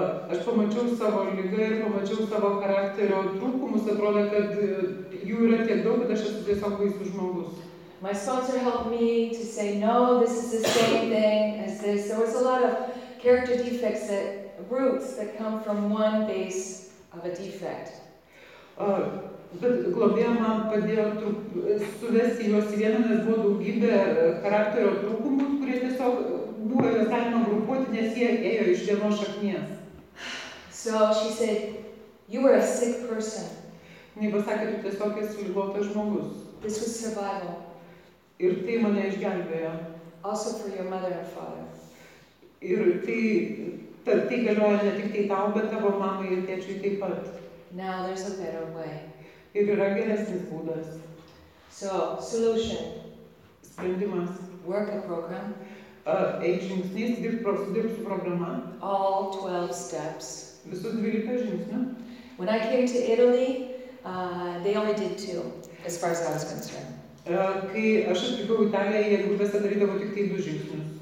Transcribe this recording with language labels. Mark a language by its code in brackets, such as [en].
[lt] Aš pamačiau savo ligą ir pamačiau savo charakterio trūkumus. Atrodo, kad jų yra tiek daug, kad aš esu tiesiog baisus žmogus. [en] My sponsor helped me to say, no, this is the same thing as this. There was a lot of character defects that roots that come from one base of a defect. [lt] Bet globėja man padėjo suvesti juos į vieną, nes buvo daugybė charakterio trūkumų, kurie tiesiog buvo juos galima grupuoti, nes jie ėjo iš vienos šaknies. [en] So she said, you were a sick person. [lt] Jis pasakė, tu tiesiog esi ligotas žmogus. [en] This was survival. [lt] Ir tai mane išgelbėjo. [en] Also for your mother and father. [lt] Ir tai galioja ne tik tai tau, bet tavo mamai ir tėčiui taip pat. [en] Now there's a better way. [lt] Ir yra geresnis būdas. [en] So, solution. [lt] Sprendimas. [en] Work a program. [lt] Žingsnis, dirb su programa. [en] All 12 steps. [lt] Visų 12 žingsnių. [en] When I came to Italy, they only did 2, as far as I was concerned. [lt] Kai aš atvykau į Italiją, jie grupėse darydavo tik tai 2 žingsnius.